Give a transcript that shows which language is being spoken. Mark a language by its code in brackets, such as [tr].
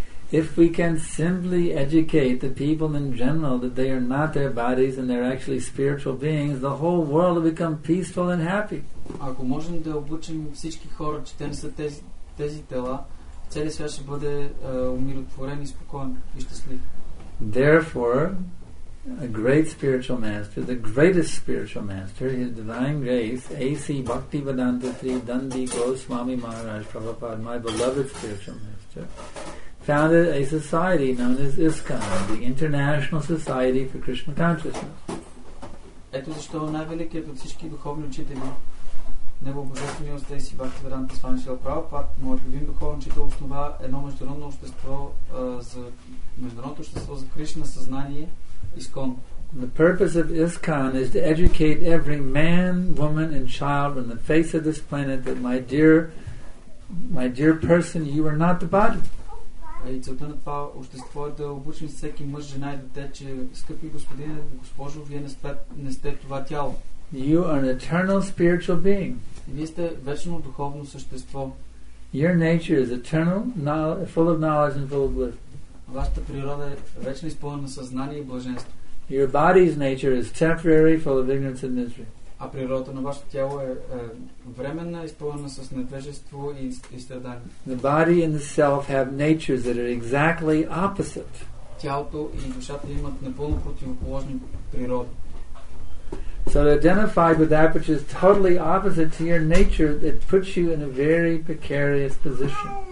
[en] If we can simply educate the people in general that they are not their bodies and they're actually spiritual beings, the whole world will become peaceful and happy. [bg] Ако можем да обучим всички хора, че те не са тези тела, целият свят ще бъде умиротворен и спокоен и щастлив. [en] Therefore, a great spiritual master, the greatest spiritual master, His Divine Grace, A.C. Bhaktivedanta Sri Dandi Goswami Maharaj Prabhupada, my beloved spiritual master, founded a society known as ISKCON, the International Society for Krishna Consciousness. [bg] Ето защо най-великият от всички духовни учители, Небобожественият отец и Бхактиведанта Свами Шрила Прабхупада, моят любим духовен учител, основа едно международно общество за международното общество за Кришна съзнание ISKCON. [en] The purpose of ISKCON is to educate every man, woman and child on the face of this planet that my dear person, you are not the body. [bg] И целта на това общество е да обучим всеки мъж, жена и дете, че скъпи господин, госпожо, вие не сте това тяло. [en] You are an eternal spiritual being. [bg] Вие сте вечно духовно същество. [en] Your nature is eternal, full of knowledge and full of bliss. [bg] Вашата природа е вечно изпълнена съзнание и блаженство. [en] Your body's nature is temporary, full of ignorance and misery. [bg] А природата на вашето тяло е временна, изпълнена с невежество и страдания. [en] The body and the self have natures that are exactly opposite. [bg] Тялото и душата имат напълно противоположни природи. [en] So to identify with that which is totally opposite to your nature, it puts you in a very precarious position.